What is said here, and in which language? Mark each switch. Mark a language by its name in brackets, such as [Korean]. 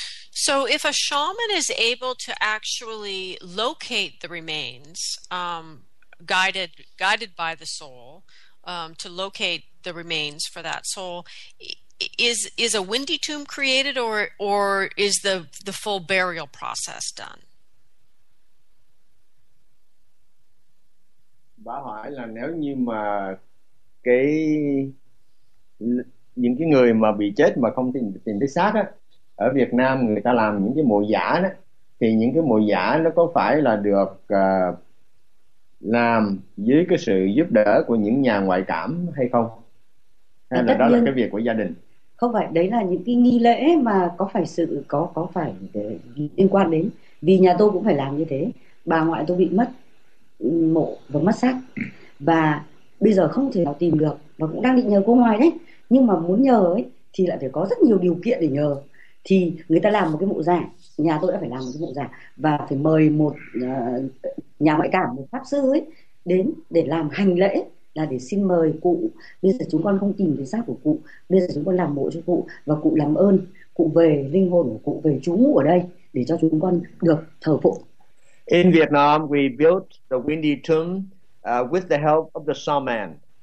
[English] So if a shaman is able to actually locate the remains, guided by the soul, to locate the remains for that soul, is a windy tomb created, or is the full burial process done? [Vietnamese] Bà hỏi là nếu như mà cái những cái người mà bị chết mà không tìm thấy xác á, ở Việt Nam người ta làm những cái mộ giả đó, thì những cái mộ giả nó có phải là được làm dưới cái sự giúp đỡ của những nhà ngoại cảm hay không? Hay là đó là cái việc của gia đình? Không phải, đấy là những cái nghi lễ mà có phải liên quan đến, vì nhà tôi cũng phải làm như thế. Bà ngoại tôi bị mất mộ và mất xác, và bây giờ không thể nào tìm được, và cũng đang định nhờ cô ngoài đấy, nhưng mà muốn nhờ ấy thì lại phải có rất nhiều điều kiện để nhờ. Thì người ta làm một cái mộ giả, nhà tôi đã phải làm một cái mộ giả và phải mời một nhà ngoại cảm, một pháp sư ấy đến để làm hành lễ, là để xin mời cụ, bây giờ chúng con không tìm được xác của cụ, bây giờ chúng con làm mộ cho cụ, và cụ làm ơn cụ về linh hồn của cụ về trú ngụ ở đây để cho chúng con được thờ phụng. [English] In Vietnam, we built the windy tomb with the help of the shaman.